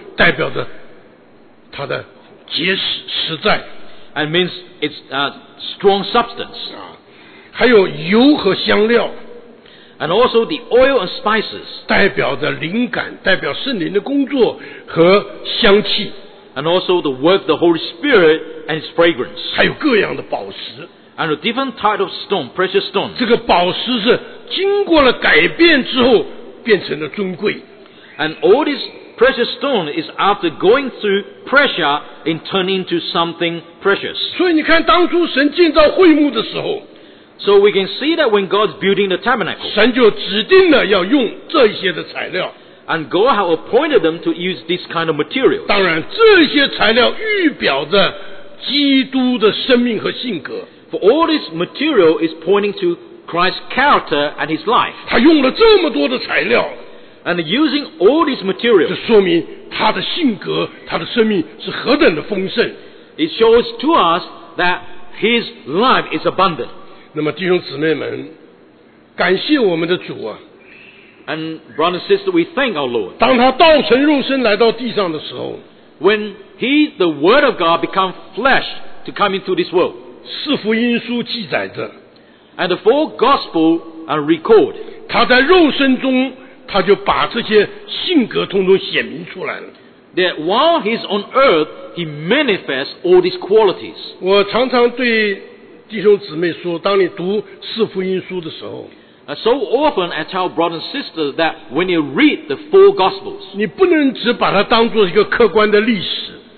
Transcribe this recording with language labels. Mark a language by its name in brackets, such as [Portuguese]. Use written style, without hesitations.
[Chinese] 代表着它的结实实在 [English] and means it's a strong substance. [Chinese] 还有油和香料 [English] and also the oil and spices [Chinese] 代表着灵感代表圣灵的工作和香气 [English] and also the work of the Holy Spirit and its fragrance. [Chinese] 还有各样的宝石 [English] and a different type of stone, precious stone. [Chinese] 这个宝石是经过了改变之后变成了尊贵 [English] and all this precious stone is after going through pressure and turning into something precious [Chinese] 所以你看当初神建造会幕的时候 [English] so we can see that when God's building the tabernacle [Chinese] 神就指定了要用这些的材料 [English] and God have appointed them to use this kind of material [Chinese] 当然这些材料预表着基督的生命和性格 [English] for all this material is pointing toChrist's character and his life. [Chinese] 他用了这么多的材料 [English] and using all these materials, [Chinese] 这说明他的性格，他的生命是何等的丰盛。 [English] It shows to us that his life is abundant. [Chinese] 那么弟兄姊妹们，感谢我们的主啊。 [English] And brothers and sisters, we thank our Lord. [Chinese] 当他道成肉身来到地上的时候 [English] when he, the word of God, become flesh to come into this world. [Chinese] 四福音书记载着。 [English] And the four gospels are recorded. [Chinese] 他在肉身中，他就把这些性格通通显明出来了。 [English] That while he's on earth, he manifests all these qualities. [Chinese] 我常常对弟兄姊妹说，当你读四福音书的时候。 [English] So often I tell brothers and sisters that when you read the four gospels, [Chinese] 你不能只把它当作一个客观的历史。